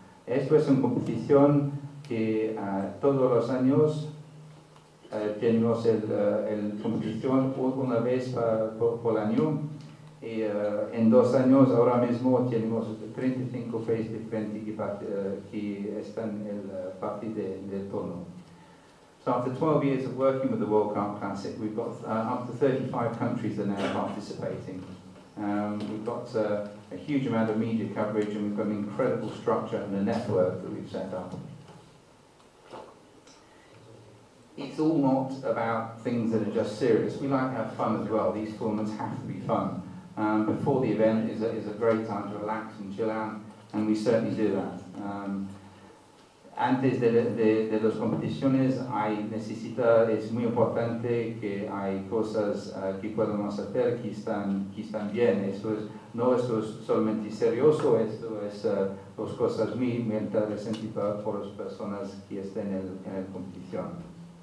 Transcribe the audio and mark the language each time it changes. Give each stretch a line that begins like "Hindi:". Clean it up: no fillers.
Spanish: Esto es una competición que todos los años tenemos el competición una vez por año. Y en dos años, ahora mismo, tenemos 35 países diferentes que están en la parte del torneo.
English: So after 12 years of working with the World Cup Classic, we've got up to 35 countries that are now participating. We've got a huge amount of media coverage, and we've got an incredible structure and a network that we've set up. It's all not about things that are just serious. We like to have fun as well. These tournaments have to be fun. Before the event is a great time to relax and chill out, and we certainly do that.
Spanish: Antes de las competiciones, hay necesita, es muy importante que hay cosas que podemos hacer que están bien. Esto es, no esto es solamente serioso, esto es las cosas muy interesantes para las personas que estén en la competición.